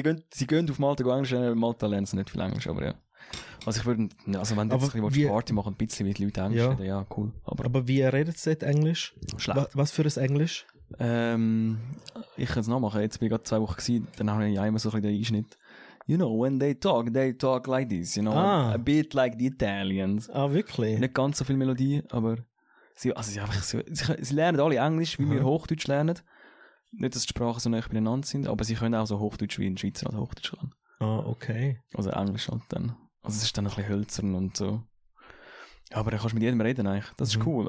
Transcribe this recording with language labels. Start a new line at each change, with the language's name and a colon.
German: Sie gehen auf Malta Englisch lernen, Malta lernen sie nicht viel Englisch, aber ja. Also ich würde, also wenn du jetzt ein bisschen Party machen, ein bisschen mit Leuten Englisch reden, ja, cool. Aber wie redet ihr dort Englisch? Schlecht. Was für ein Englisch? Ich könnte es noch machen. Jetzt bin ich gerade 2 Wochen gewesen, dann habe ich einmal so ein bisschen den Einschnitt.
English: You know, when they talk like this, you know, a bit like the Italians.
German: Ah, wirklich? Nicht ganz so viel Melodie, aber sie lernen alle Englisch, wie wir Hochdeutsch lernen. Nicht, dass die Sprachen so nah beieinander sind, aber sie können auch so Hochdeutsch wie ein Schweizer oder Hochdeutsch lernen. Ah, okay. Also Englisch halt dann. Also es ist dann ein bisschen hölzern und so. Ja, aber da kannst du mit jedem reden eigentlich. Das ist cool.